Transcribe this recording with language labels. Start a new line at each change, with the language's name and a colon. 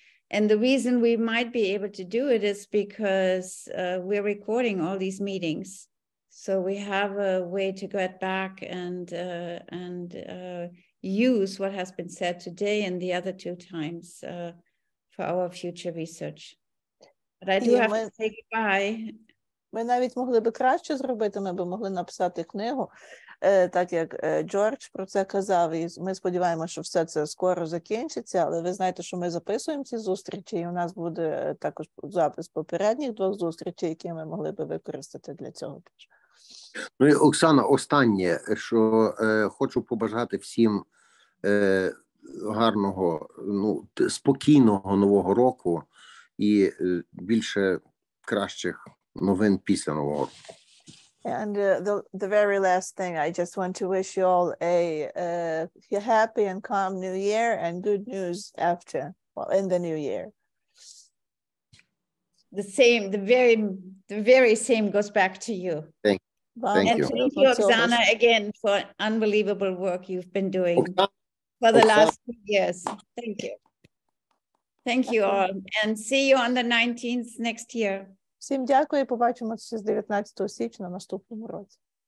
English: And the reason we might be able to do it is because we're recording all these meetings. So we have a way to get back and use what has been said today and the other two times for our future research. But I do have to say goodbye.
Ukrainian: Ми навіть могли би краще зробити, ми би могли написати книгу, так як Джордж про це казав, і ми сподіваємося, що все це скоро закінчиться, але ви знаєте, що ми записуємо ці зустрічі, і у нас буде також запис попередніх двох зустрічей, які ми могли би використати для цього. Ну і Оксана, останнє, що хочу побажати всім гарного, ну, спокійного нового року і більше кращих новин після нового року.
English: And the very last thing, I just want to wish you all a happy and calm new year and good news after, well, in the new year. The same, the very same goes back to you. Thank you. And thank you, Oksana, again, for unbelievable work you've been doing for the last 2 years. Thank you. Thank you all. And see you on the 19th next year.
Ukrainian: Всім дякую і побачимося з 19 січня на наступному році.